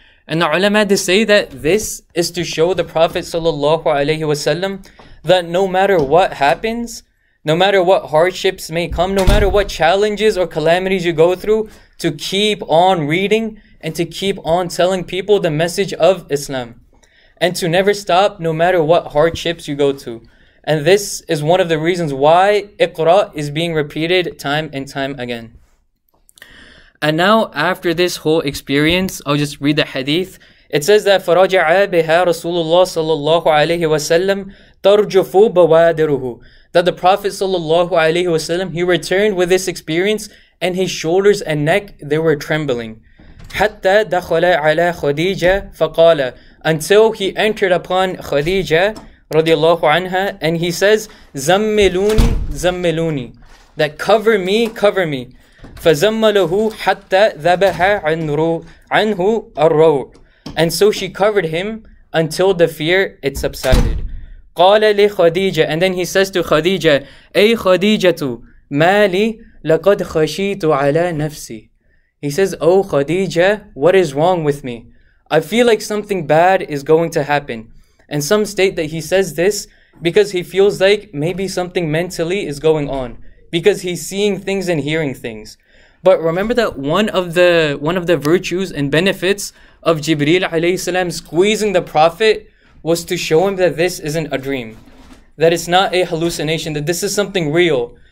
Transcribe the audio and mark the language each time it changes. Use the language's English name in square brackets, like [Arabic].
[English] And the ulama, they say that this is to show the Prophet sallallahu alayhi wasallam that no matter what happens, no matter what hardships may come, no matter what challenges or calamities you go through, to keep on reading and to keep on telling people the message of Islam. And to never stop, no matter what hardships you go to. And this is one of the reasons why Iqra is being repeated time and time again. And now, after this whole experience, I'll just read the hadith. It says that [Arabic] فَرَجَعَ بِهَا رَسُولُ اللَّهِ صَلَى اللَّهُ عَلَيْهِ وَسَلَّمْ تَرْجُفُ بَوَادِرُهُ. [English] That the Prophet sallallahu alaihi wasallam, he returned with this experience, and his shoulders and neck, they were trembling. [Arabic] حَتَّى دَخَلَ عَلَى خَدِيجَ فَقَالَ. [English] Until he entered upon Khadija radiallahu anha, and he says, [Arabic] زَمِّلُونِ زَمِّلُونِ. [English] That cover me, cover me. [Arabic] فَزَمَّلَهُ حَتَّى ذَبَحَ عَنْهُ الرَّوْعُ. [English] And so she covered him until the fear, it subsided. [Arabic] قَالَ لِخَدِيجَةُ. [English] And then he says to Khadija, [Arabic] أَيْ خَدِيجَةُ مَا لِي لَقَدْ خَشِيتُ عَلَى نَفْسِي. [English] He says, oh Khadija, what is wrong with me? I feel like something bad is going to happen. And some state that he says this because he feels like maybe something mentally is going on, because he's seeing things and hearing things. But remember that one of the virtues and benefits of Jibril alayhi salam squeezing the Prophet was to show him that this isn't a dream, that it's not a hallucination, that this is something real.